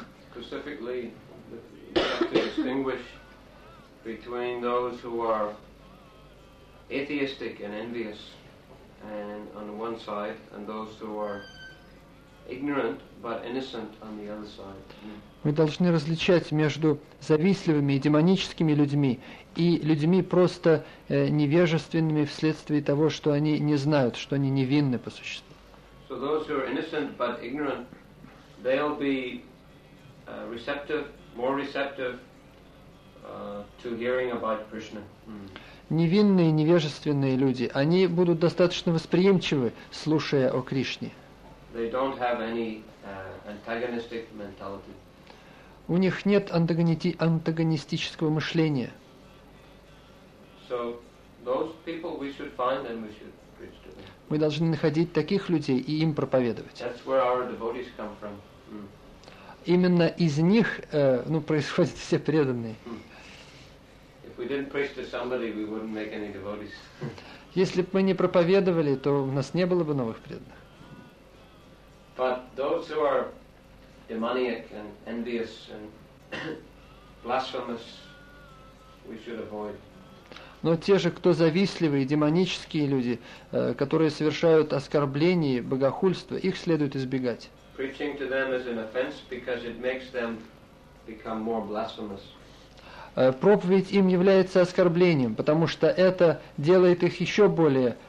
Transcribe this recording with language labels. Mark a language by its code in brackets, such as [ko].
[en] Specifically, you have to distinguish between those who are atheistic and envious and on the one side, and those who are ignorant but innocent on the other side. [ru] Мы должны различать между завистливыми и демоническими людьми и людьми просто невежественными вследствие того, что они не знают, что они невинны по существу. [en] So those who are innocent but ignorant, they'll be receptive, more receptive to hearing about Krishna. [ru] Невинные, невежественные люди, они будут достаточно восприимчивы, слушая о Кришне. [en] They don't have any antagonistic mentality. [ru] У них нет антагонистического мышления. [en] So, those people we should find and we should preach to them. [ru] Мы должны находить таких людей и им проповедовать. [en] That's where our devotees come from. [ru] именно из них ну, происходят все преданные. [en] If we didn't preach to somebody, we wouldn't make any devotees. [ru] Если бы мы не проповедовали, то у нас не было бы новых преданных. [en] But those who are demoniac and envious and blasphemous, we should avoid. [ru] Но те же, кто завистливые, демонические люди, которые совершают оскорбления, богохульство, их следует избегать. [en] Preaching to them is an offense because it makes them become more blasphemous. [ru] Проповедь им является оскорблением, потому что это делает их еще более